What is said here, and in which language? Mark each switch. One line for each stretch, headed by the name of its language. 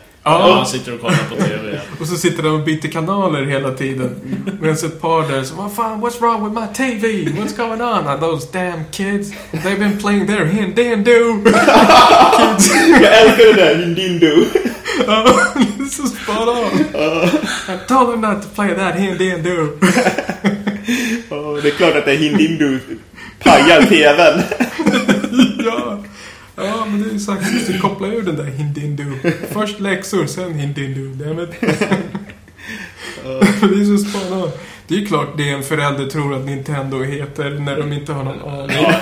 Swedish: Ja, han sitter och kollar på TV. Och så sitter de och byter kanaler hela tiden. Medan ett par där som, vad fan,
English: what's wrong with my TV? What's going on? Are those damn kids? They've been playing their Hindindu.
Swedish: Jag älskar det där, Hindindu.
English: This is spot on. I told him not to play that Hindindu.
Swedish: Det är klart att det är Hindindu pajar TV:n. Ja, men det är ju sagt att du kopplar ur den där Hindindu. Först läxor, sen Hindindu. Dammit. Det är ju så spännande. Det är ju klart det en förälder tror att Nintendo heter när de inte har någon aning.